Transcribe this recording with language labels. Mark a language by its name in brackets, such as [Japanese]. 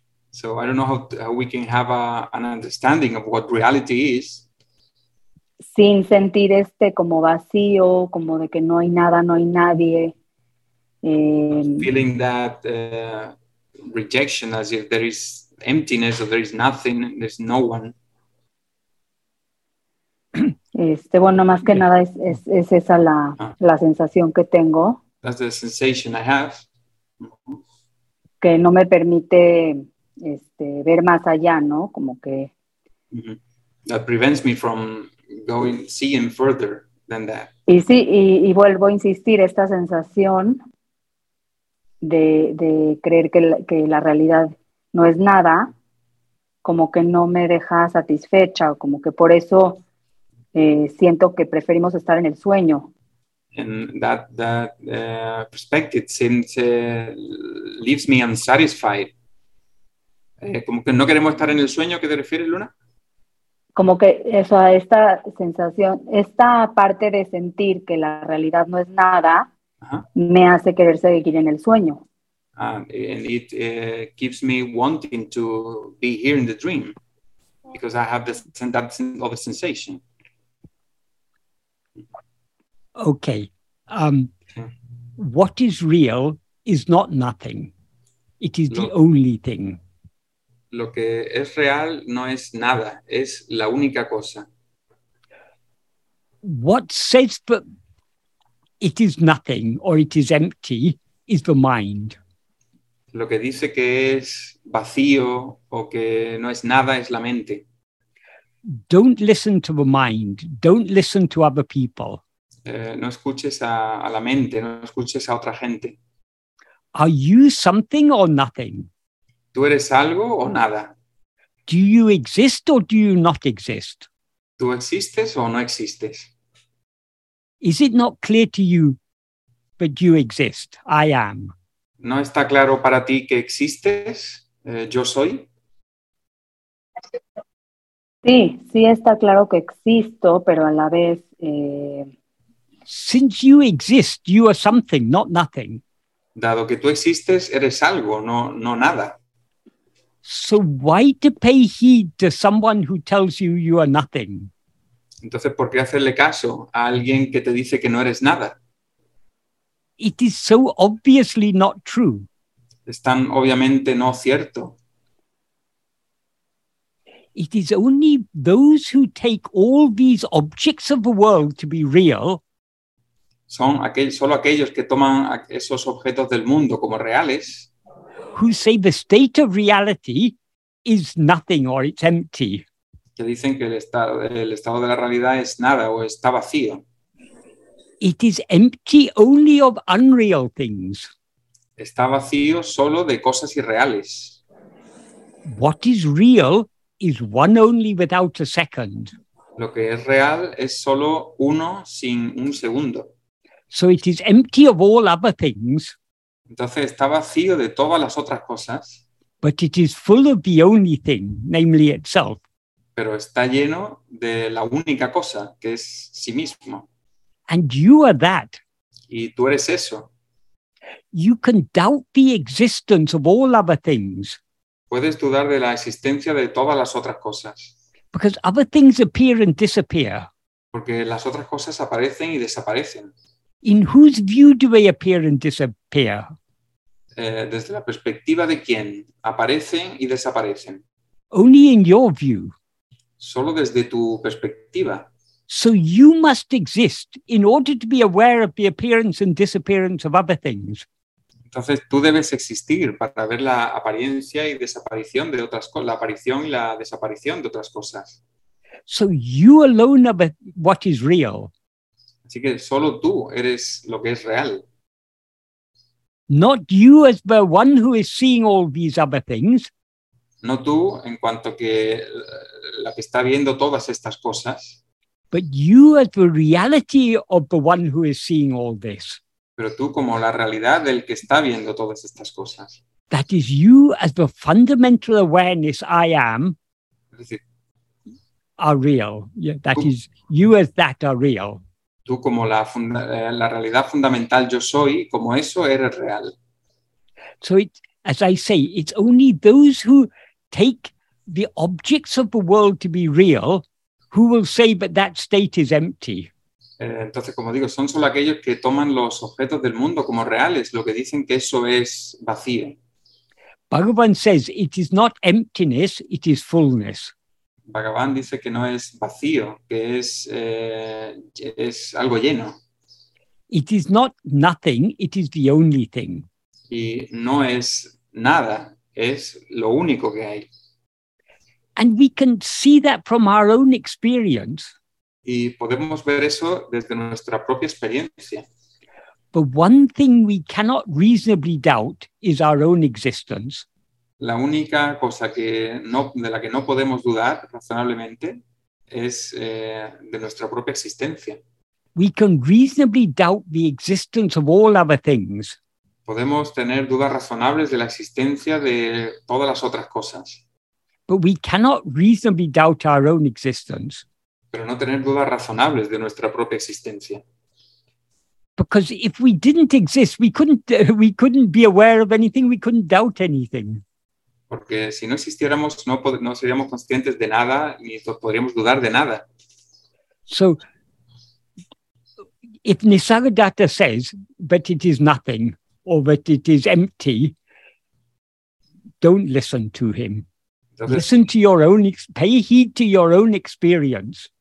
[English] So I don't know how we can have an understanding of what reality is. [Spanish] Sin sentir como vacío, como de que no hay nada, no hay nadie. [English] Feeling that rejection as if there is emptiness or there is nothing, there's no one. [Spanish] Bueno, más que nada es esa la sensación que tengo. [English] That's the sensation I have. [Spanish] Que no me permite ver más allá, ¿no? Como que... [English] That prevents me from going seeing further than that. [Spanish] Y sí, y vuelvo a insistir, esta sensación de creer que la realidad no es nada, como que no me deja satisfecha, o como que por eso siento que preferimos estar en el sueño. [English] And that perspective seems leaves me unsatisfied. [Spanish] Como que no queremos estar en el sueño, ¿qué te refieres, Luna? Como que eso, esta sensación, esta parte de sentir que la realidad no es nada, me hace querer seguir en el sueño. [English] And it keeps me wanting to be here in the dream. because I have this and that of a sensation. Okay. What is real is not nothing. It is the only thing. [Spanish] Lo que es real no es nada, es la única cosa. [English] What says that it is nothing or it is empty is the mind. [Spanish] Lo que dice que es vacío o que no es nada es la mente. [English] Don't listen to the mind. Don't listen to other people. [Spanish] No escuches a la mente, no escuches a otra gente. [English] Are you something or nothing? [Spanish] ¿Tú eres algo o nada? [English] Do you exist or do you not exist? [Spanish] ¿Tú existes o no existes? [English] Is it not clear to you that you exist? I am. [Spanish] ¿No está claro para ti que existes? ¿Yo soy? Sí, sí está claro que existo, pero a la vez... [English] Since you exist, you are something, not nothing. [Spanish] Dado que tú existes, eres algo, no nada. [English] So why to pay heed to someone who tells you you are nothing? [Spanish] Entonces, ¿por qué hacerle caso a alguien que te dice que no eres nada? [English] It is so obviously not true. [Spanish] Es tan obviamente no cierto. [English] It is only those who take all these objects of the world to be real. [Spanish] Son solo aquellos que toman esos objetos del mundo como reales. [English] Who say the state of reality is nothing or it's empty. [Spanish] Que dicen que el estado de la realidad es nada o está vacío. [English] It is empty only of unreal things. [Spanish] Está vacío solo de cosas irreales. [English] What is real is one only without a second. [Spanish] Lo que es real es solo uno sin un segundo. [English] So it is empty of all other things. [Spanish] Entonces está vacío de todas las otras cosas. [English] But it is full of the only thing, namely itself. [Spanish] Pero está lleno de la única cosa, que es sí mismo. [English] And you are that. [Spanish] Y tú eres eso. [English] You can doubt the existence of all other things. [Spanish] Puedes dudar de la existencia de todas las otras cosas. [English] Because other things appear and disappear. [Spanish] Porque las otras cosas aparecen y desaparecen. [English] In whose view do they appear and disappear? [Spanish] Desde la perspectiva de quién aparecen y desaparecen. [English] Only in your view. [Spanish] Solo desde tu perspectiva. [English] So you must exist in order to be aware of the appearance and disappearance of other things. [Spanish] Entonces tú debes existir para ver la apariencia y desaparición de otras cosas, la aparición y la desaparición de otras cosas. [English] So you alone are what is real. [Spanish] Así que solo tú eres lo que es real. [English] Not you as the one who is seeing all these other things. [Spanish] No tú en cuanto que la que está viendo todas estas cosas. [English] But you as the reality of the one who is seeing all this. [Spanish] Pero tú como la realidad del que está viendo todas estas cosas. [English] That is you as the fundamental awareness I am. [Spanish] Es decir, [English] are real. Yeah, that is you as that are real. [Spanish] Tú como la realidad fundamental yo soy, como eso eres real. [English] So it, as I say, it's only those who take the objects of the world to be real who will say that that state is empty. [Spanish] Entonces, como digo, son solo aquellos que toman los objetos del mundo como reales, lo que dicen que eso es vacío. [English] Bhagavan says it is not emptiness, it is fullness. [Spanish] Bhagavan dice que no es vacío, que es algo lleno. [English] It is not nothing, it is the only thing. [Spanish] Y no es nada, es lo único que hay. [English] And we can see that from our own experience. [Spanish] Y podemos ver eso desde nuestra propia experiencia. [English] But one thing we cannot reasonably doubt is our own existence. [Spanish] La única cosa que no, de la que no podemos dudar razonablemente es de nuestra propia existencia. [English] We can reasonably doubt the existence of all other things. [Spanish] Podemos tener dudas razonables de la existencia de todas las otras cosas. [English] But we cannot reasonably doubt our own existence. [Spanish] Pero no tener dudas razonables de nuestra propia existencia. [English] Because if we didn't exist, we couldn't be aware of anything, we couldn't doubt anything. [Spanish] Porque si no existiéramos, no seríamos conscientes de nada, ni podríamos dudar de nada. [English] So, if Nisargadatta says that it is nothing or that it is empty, don't listen to him. Entonces, listen to your own, pay heed to your own experience.